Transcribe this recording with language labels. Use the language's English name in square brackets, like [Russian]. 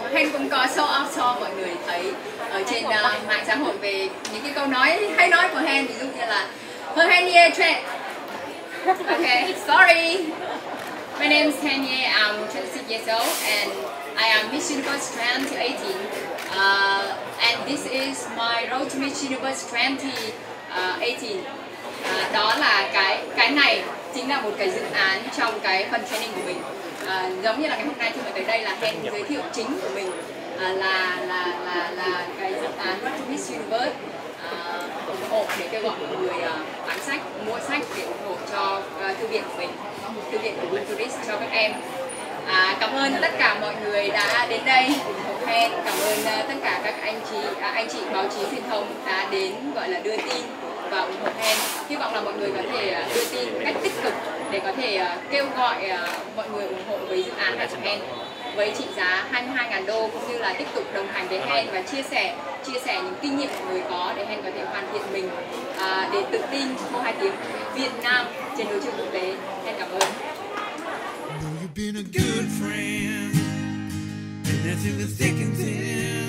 [Vietnamese] Hen cũng có show off cho mọi người thấy ở trên mạng xã hội về những cái câu nói hay nói của Hen, ví dụ như là Her Hen Ye Chuen. [English] Okay, sorry. My name is Hen Ye, I'm 26 years old and I am Miss Universe 2018. And this is my road to Miss Universe 2018. [Vietnamese] Đó là cái này chính là một cái dự án trong cái phần training của mình. Giống như là ngày hôm nay khi mà tới đây là Hen giới thiệu chính của mình là cái dự án Road to Miss Universe, ủng hộ để kêu gọi mọi người bán sách, mua sách để ủng hộ cho thư viện của mình, thư viện của Winterist cho các em. Cảm ơn tất cả mọi người đã đến đây ủng hộ Hen, cảm ơn tất cả các anh chị báo chí truyền thông đã đến gọi là đưa tin và ủng hộ Hen. Hy vọng là mọi người có thể đưa tin một cách tích cực để có thể kêu gọi mọi người ủng hộ với dự án này của Hen với trị giá 22.000 đô, cũng như là tiếp tục đồng hành với Hen và chia sẻ những kinh nghiệm của người có để Hen có thể hoàn thiện mình để tự tin hô hai tiếng Việt Nam trên đấu trường quốc tế. Hen cảm ơn. [English] Been a good friend, and nothing that's thick and thin.